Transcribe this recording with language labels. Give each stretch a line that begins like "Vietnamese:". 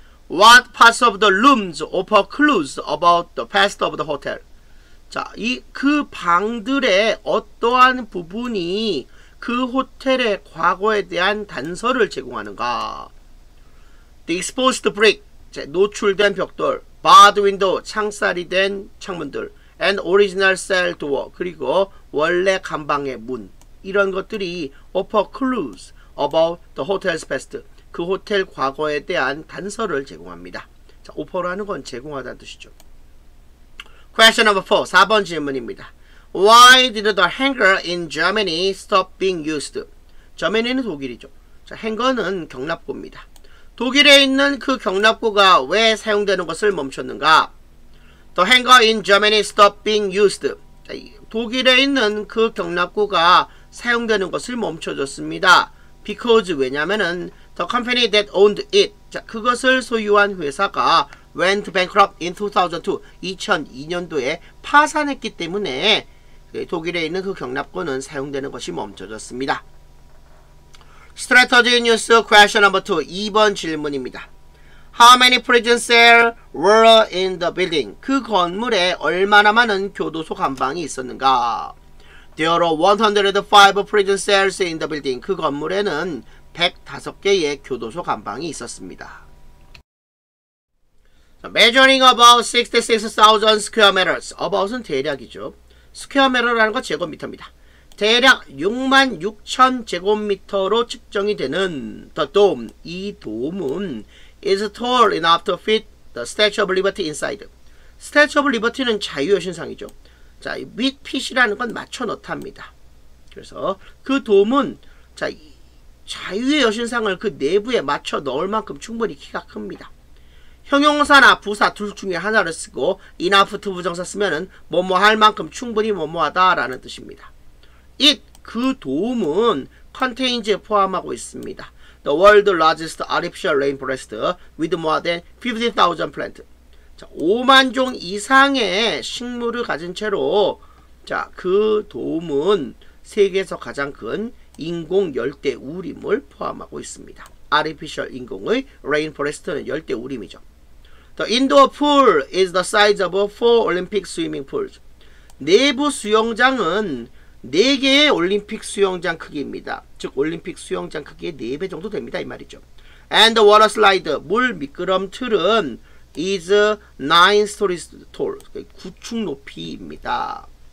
English: What parts of the rooms offer clues about the past of the hotel?
Korean: 자, 이 그 방들의 어떠한 부분이 그 호텔의 과거에 대한 단서를 제공하는가? The exposed brick, 자, 노출된 벽돌, barred window, 창살이 된 창문들, and original cell door, 그리고 원래 감방의 문, 이런 것들이 offer clues about the hotel's past, 그 호텔 과거에 대한 단서를 제공합니다. 자, offer라는 건 제공하다는 뜻이죠. Question number 4, 4번 질문입니다.
English: Why did the hangar in Germany stop being used?
Korean: Germany는 독일이죠. 자, hangar는 경납고입니다. 독일에 있는 그 경납고가 왜 사용되는 것을 멈췄는가?
English: The hangar in Germany stopped being used.
Korean: 자, 독일에 있는 그 경납고가 사용되는 것을 멈춰줬습니다. Because, 왜냐면은 the company that owned it, 자, 그것을 소유한 회사가 went bankrupt in 2002, 2002년도에 파산했기 때문에 독일에 있는 그 경납고는 사용되는 것이 멈춰졌습니다.
English: Strategy News Question No. 2, 2번 질문입니다. How many prison cells were in the building?
Korean: 그 건물에 얼마나 많은 교도소 감방이 있었는가?
English: There are 105 prison cells in the building.
Korean: 그 건물에는 105개의 교도소 감방이 있었습니다.
English: Measuring about 66,000 square meters. About은 대략이죠.
Korean: Square meter라는 건 제곱미터입니다. 대략 66,000 제곱미터로 측정이 되는 the dome, 이 돔은 is tall enough to fit the Statue of Liberty inside. Statue of Liberty는 자유의 신상이죠. 자, with fit이라는 건 맞춰 넣답니다. 그래서 그 돔은 자, 자유의 여신상을 그 내부에 맞춰 넣을 만큼 충분히 키가 큽니다. 형용사나 부사 둘 중에 하나를 쓰고 enough to 부정사 쓰면은 뭐뭐 할 만큼 충분히 뭐뭐 하다라는 뜻입니다. It, 그 돔은 contains에 포함하고 있습니다.
English: The world's largest artificial rainforest with more than 50,000 plants.
Korean: 자, 5만 종 이상의 식물을 가진 채로 자, 그 돔은 세계에서 가장 큰 인공 열대 우림을 포함하고 있습니다. Artificial 인공의 rainforest는 열대 우림이죠.
English: The indoor pool is the size of 4 Olympic swimming pools.
Korean: 내부 수영장은 4개의 올림픽 수영장 크기입니다. 즉 올림픽 수영장 크기의 4배 정도 됩니다.
English: 이 말이죠. And the water slide, 물 미끄럼 틀은 is 9 stories tall.
Korean: 9층 높이입니다.